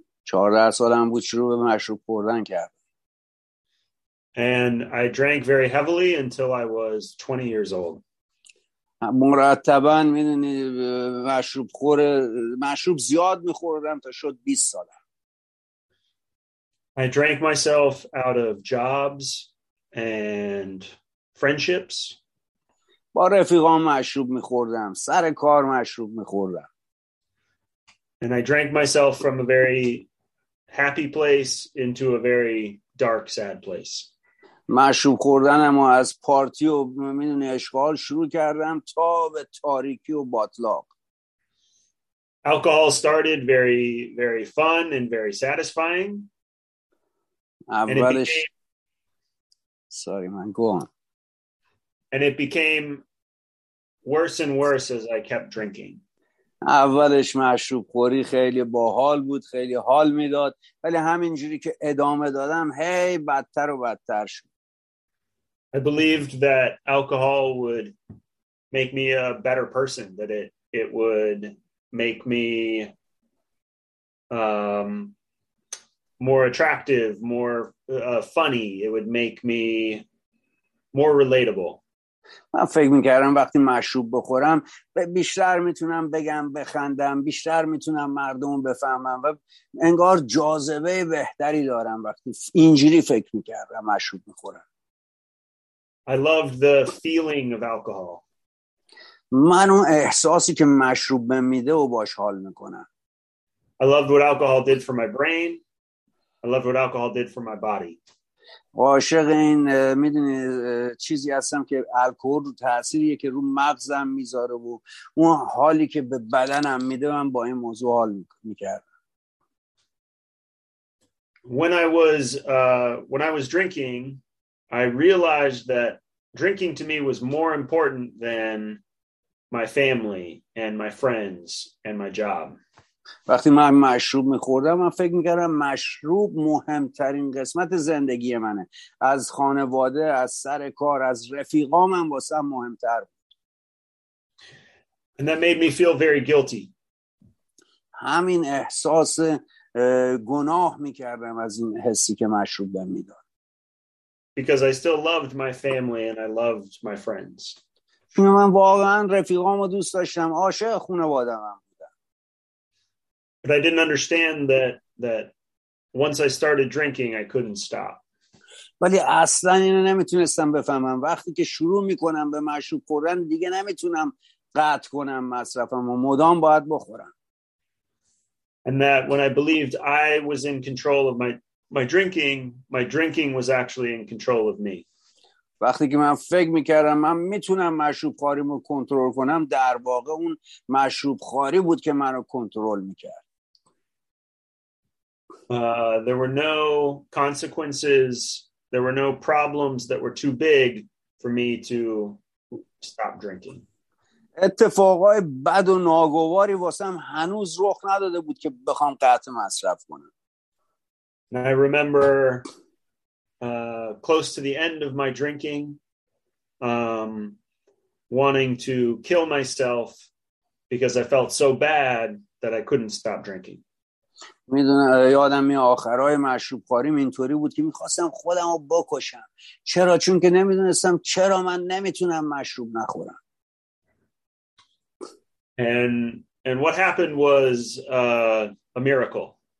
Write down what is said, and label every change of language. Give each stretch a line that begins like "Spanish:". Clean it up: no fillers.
Persian: 14 سالم بود شروع به مشروب خوردن کرد.
English: And I drank very heavily until I was 20 years old.
Persian: مرتبا میدونی مشروب زیاد میخوردم تا شد 20 سالم.
English: I drank myself out of jobs and friendships.
Persian: با رفیقام مشروب میخوردم، سر کار مشروب میخوردم.
English: And I drank myself from a very happy place into a very dark, sad place.
Persian: مشروب خوردنم و از پارتی و میدونی اشغال شروع کردم تا به تاریکی و باطلاق.
English: Alcohol started very, very fun and very satisfying.
Persian: اولش
English: sorry man, go on. And it became worse and worse as I kept drinking.
Persian: اولش مشروب خوری خیلی باحال بود، خیلی حال میداد، ولی همینجوری که ادامه دادم هی بدتر و بدتر شد.
English: I believed that alcohol would make me a better person, that it would make me more attractive, more funny, it would make me more relatable.
Persian: من فکر میکردم وقتی مشروب بخورم بیشتر میتونم بگم، بخندم، بیشتر میتونم مردم بفهمم و انگار جاذبه بهتری دارم وقتی اینجوری فکر میکردم مشروب میخورم.
English: I loved the feeling of alcohol.
Persian: من اون احساسی که مشروب به میده و باش حال میکنم.
English: I loved what alcohol did for my brain. I loved what alcohol did for my body.
Persian: عاشق این میدونی چیزی هستم که الکل رو تأثیریه که رو مغزم میذاره و اون حالی که به بدنم میده من با این موضوع حال میکردم.
English: When I was drinking, I realized that drinking to me was more important than my family and my friends and my job.
Persian: وقتی من مشروب میخوردم من فکر میکردم مشروب مهمترین قسمت زندگی منه، از خانواده، از سر کار، از رفیقام هم واسه هم مهمتر.
English: And that made me feel very guilty.
Persian: همین احساس گناه میکردم از این حسی که مشروب بهم میداد.
English: Because I still loved my family and I loved my friends.
Persian: چون من واقعا رفیقامو دوست داشتم، عاشق خانواده‌ام.
English: But I didn't understand that once I started drinking, I couldn't stop.
Persian: ولی اصلا اینو نمیتونستم بفهمم. وقتی که شروع میکنم به مشروب خوردن دیگه نمیتونم قطع کنم مصرفم و مدام باید بخورم.
English: And that when I believed I was in control of my drinking was actually in control of me.
Persian: وقتی که من فکر میکردم من میتونم مشروب خوریمو کنترل کنم، در واقع اون مشروب خوری بود که منو کنترل میکرد.
English: There were no consequences, there were no problems that were too big for me to stop drinking.
Persian: اتفاقای بد و ناگواری واسم هنوز رخ نداده بود که بخوام قطع مصرف کنم.
English: And I remember close to the end of my drinking, wanting to kill myself because I felt so bad that I couldn't stop drinking.
Persian: میدونم یادم می آخرای مشروب خوریم اینطوری بود که میخواستم خودم رو بکشم. چرا؟ چون که نمیدونستم چرا من نمیتونم مشروب نخورم.
English: And what happened was a miracle.